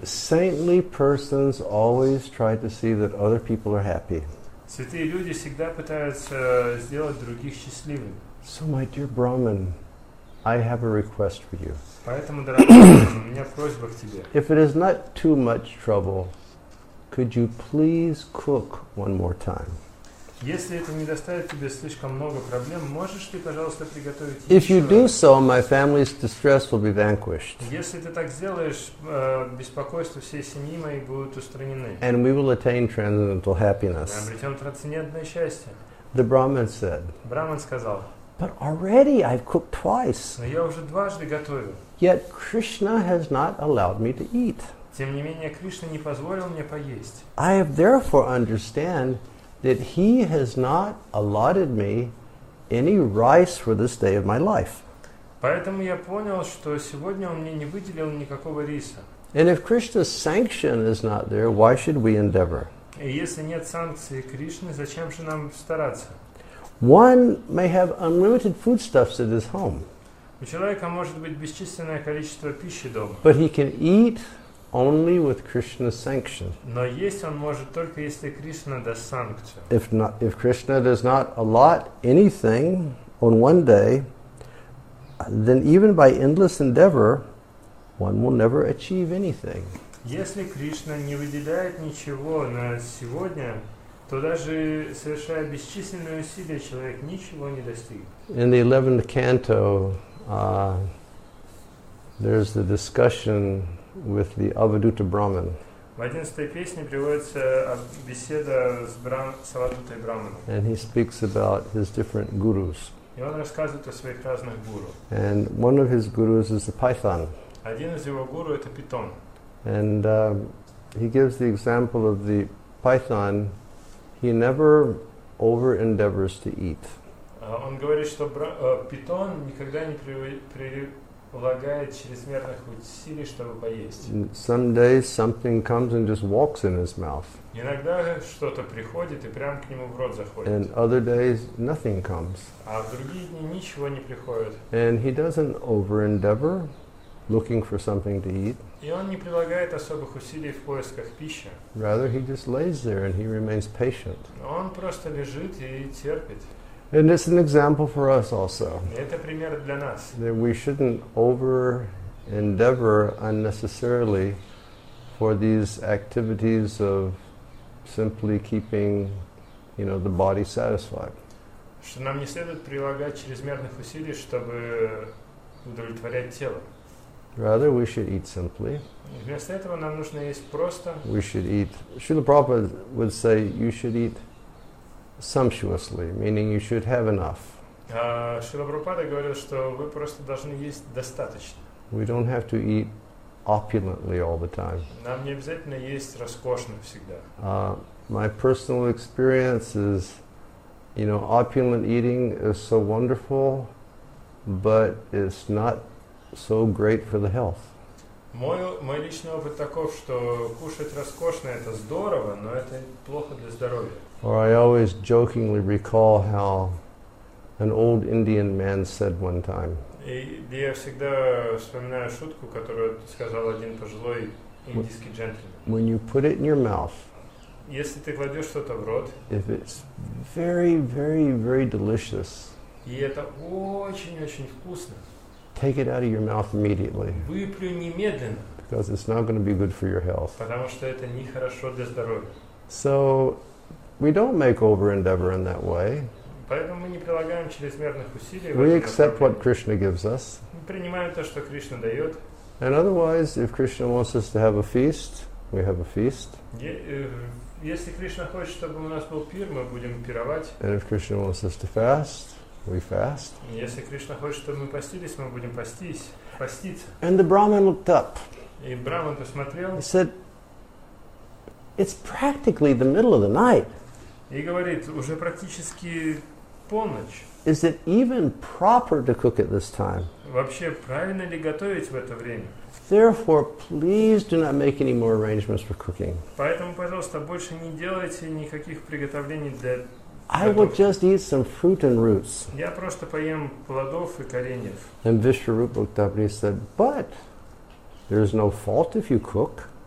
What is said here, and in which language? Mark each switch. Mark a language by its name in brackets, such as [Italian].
[English] Saintly persons always try to see that other people are happy. [Russian] Святые люди всегда пытаются сделать других счастливыми. [English] So, my dear Brahman, I have a request for you. [Russian] Поэтому, дорогой, у меня просьба к тебе. [English] If it is not too much trouble, could you please cook one more time? [Russian] Если это не доставит тебе слишком много проблем, можешь ты, пожалуйста, приготовить еще? [English] If you do so, my family's distress will be vanquished. [Russian] Если ты так сделаешь, беспокойство всей семьи моей будут устранены. [English] And we will attain transcendental happiness. [Russian] Мы обретем трансцендентное счастье. [English] The Brahman said. [Russian] Браман сказал. [English] But already I've cooked twice. [Russian] Но я уже дважды готовил. [English] Yet Krishna has not allowed me to eat. [Russian] Тем не менее, Кришна не позволил мне поесть. [English] I have therefore understand that he has not allotted me any rice for this day of my life. [Russian] Поэтому я понял, что сегодня он мне не выделил никакого риса. [English] And if Krishna's sanction is not there, why should we endeavor? [Russian] И если нет санкции Кришны, зачем же нам стараться? [English] One may have unlimited foodstuffs at his home. [Russian] У человека может быть бесчисленное количество пищи дома. [English] But he can eat only with Krishna's sanction. [Russian] Но есть он может только если Кришна даст санкцию. [English] If Krishna does not allot anything on one day, then even by endless endeavor, one will never achieve anything. [Russian] Если Кришна не выделяет ничего на сегодня, то даже совершая бесчисленные усилия, человек ничего не достигнет. [English] In the 11th canto, there's the discussion with the Avaduta Brahman. [Russian] В 11-й песне приводится беседа с Avadutai Brahmanом. [English] And he speaks about his different gurus. [Russian] И он рассказывает о своих разных гуру. [English] And one of his gurus is the python. [Russian] Один из его гуру это питон. [English] And he gives the example of the python. He never over-endeavors to eat. [Russian] Он говорит, что питон никогда не прилагает чрезмерных усилий, чтобы поесть. [English] Some days something comes and just walks in his mouth. [Russian] Иногда что-то приходит и прямо к нему в рот заходит. [English] And other days nothing comes. [Russian] А в другие дни ничего не приходит. [English] And he doesn't over-endeavor looking for something to eat. [Russian] И он не прилагает особых усилий в поисках пищи. [English] Rather he just lays there and he remains patient. [Russian] Он просто лежит и терпит. [English] And it's an example for us also. [Russian] Это пример для нас. [English] That we shouldn't over-endeavor unnecessarily for these activities of simply keeping, you know, the body satisfied. [Russian] Что нам не следует прилагать чрезмерных усилий, чтобы удовлетворять тело. [English] Rather, we should eat simply. [Russian] Вместо этого нам нужно есть просто. [English] We should eat. Srila Prabhupada would say, you should eat sumptuously, meaning you should have enough. [Russian] Srila Prabhupada говорил, что вы просто должны есть достаточно. [English] We don't have to eat opulently all the time. [Russian] Нам не обязательно есть роскошно всегда. [English] My personal experience is, you know, opulent eating is so wonderful, but it's not so great for the health. [Russian] Мой личный опыт таков, что кушать роскошно это здорово, но это плохо для здоровья. [English] Or I always jokingly recall how an old Indian man said one time. [Russian] И я всегда вспоминаю шутку, которую сказал один пожилой индийский джентльмен. [English] When you put it in your mouth, [Russian] если ты кладешь что-то в рот, [English] if it's very, very, very delicious, [Russian] и это очень-очень вкусно, [English] take it out of your mouth immediately. [Russian] Выплюй немедленно. [English] Because it's not going to be good for your health. [Russian] Потому что это не хорошо для здоровья. [English] So we don't make over-endeavor in that way. [Russian] Поэтому мы не прилагаем чрезмерных усилий. [English] We accept what Krishna gives us. [Russian] Мы принимаем то, что Кришна дает. [English] And otherwise, if Krishna wants us to have a feast, we have a feast. [Russian] Если Кришна хочет, чтобы у нас был пир, мы будем пировать. [English] And if Krishna wants us to fast, we fast. [Russian] Если Кришна хочет, чтобы мы постились, мы будем поститься. [English] And the Brahman looked up. [Russian] И Брахман посмотрел. [English] He said, it's practically the middle of the night. [Russian] И говорит, уже практически полночь. [English] Is it even proper to cook at this time? [Russian] Вообще правильно ли готовить в это время? [English] Therefore, please do not make any more arrangements for cooking. [Russian] Поэтому, пожалуйста, больше не делайте никаких приготовлений для [English] I will just eat some fruit and roots. [Russian] Я просто поем плодов и кореньев. [English] And Vishwarupa looked up and he said, but there is no fault if you cook.